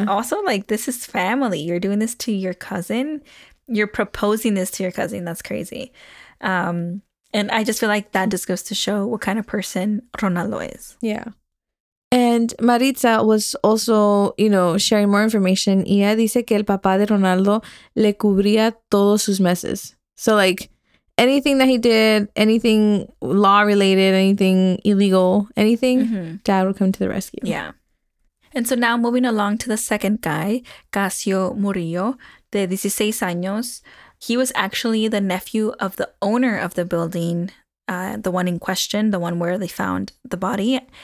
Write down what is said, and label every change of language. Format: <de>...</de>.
<en>And also, like, this is family. You're doing this to your cousin. You're proposing this to your cousin. That's crazy. And I just feel like that just goes to show what kind of person Ronaldo is. Yeah. And Maritza was also, you know, sharing more information.</en> <es>Ella dice que el papá de Ronaldo le cubría todos sus meses.</es> <en>So, like, anything that he did, anything law-related, anything illegal, anything, dad would come to the rescue. Yeah. And so now moving along to the second guy, Casio Murillo,</en> <es>de 16 años,</es> <en>he was actually the nephew of the owner of the building, the one in question, the one where they found the body.</en>